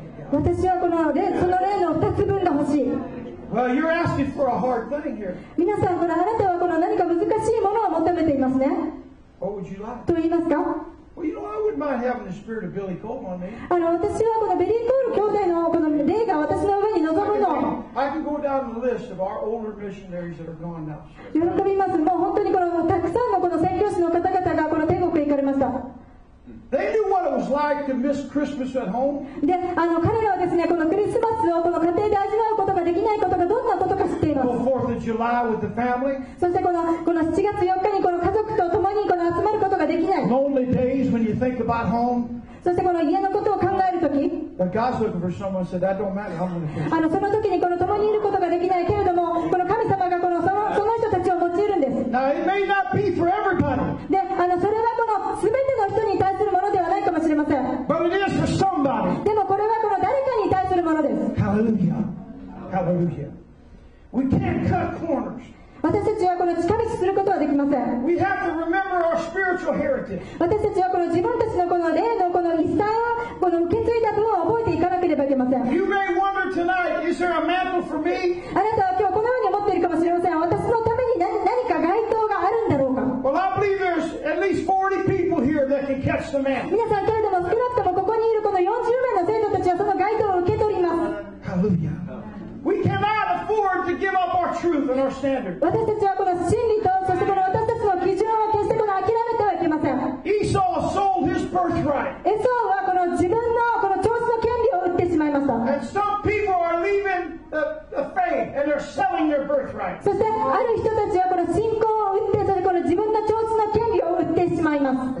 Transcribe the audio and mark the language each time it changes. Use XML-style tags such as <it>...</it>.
<ja>私はこの例の2つ分が欲しい。</ja> <en>Well, you're asking for a hard thing here.</en> <ja>皆さん、ほら、あなたはこの何か難しいものを求めていますね。</ja> <en>What would you like?</en> <ja>と言いますか?</ja> <en>Well, you know, I wouldn't mind having the spirit of Billy Cole on me.</en> <ja>あの、私はこのベリー・コール兄弟のこの霊が私の上に臨むの。</ja> <en>I can go down the list of our older missionaries that are gone now.</en> <ja>喜びます。もう本当にこのたくさんのこの宣教師の方々がこの天国へ行かれました。</ja> <en>They knew what it was like to miss Christmas at home.</en> <ja>で、あの、彼らはですね、このクリスマスをこの家庭で味わうことができないことがどんなことか知っています。</ja> <en>The 4th of July with the family.</en> <ja>そしてこの7月4日にこの家族と共にこの集まることができない。</ja> <en>Lonely days when you think about home.</en> <ja>そしてこの家のことを考えるとき。</ja> <en>But God's looking for someone said that don't matter. I'm going to face it.</en> <ja>あの、その時にこの共にいることができないけれども、この神様がこのその人たちを用いるんです。</ja> <en>Now it may not be for everybody.</en> <ja>で、あの、それはこの全ての人に対するものではないかもしれません。</ja> <en>But it is for somebody.</en> <ja>でもこれはこの誰かに対するものです。</ja> <en>Hallelujah. Hallelujah. We can't cut corners.</en> <ja>私たちはこの近道することはできません。</ja> <en>We have to remember our spiritual heritage.</en> <ja>私たちはこの自分たちのこの霊のこの遺産をこの受け継いだ分を覚えていかなければいけません。</ja> <en>You may wonder tonight, is there a mantle for me?</en> <ja>あなたは今日このように思っているかもしれません。私のために何か該当があるんだろうか。</ja> <en>Well, I believe there's at least 40 people here that can catch the mantle.</en> <ja>皆さん、けれども少なくともここにいるこの40名の生徒たちはその該当を受け取ります。</ja> <en>Hallelujah. We cannot afford to give up our truth and our standard.</en> <ja>私たちはこの真理とそしてこの私たちの基準を決してこの諦めてはいけません。</ja> <en>Esau sold his birthright.</en> <ja>エサウはこの自分のこの長子の権利を売ってしまいました。</ja> <en>And some people are leaving the faith and they're selling their birthright.</en> <ja>そしてある人たちはこの信仰を売ってそれこの自分の長子の権利を売ってしまいます。</ja>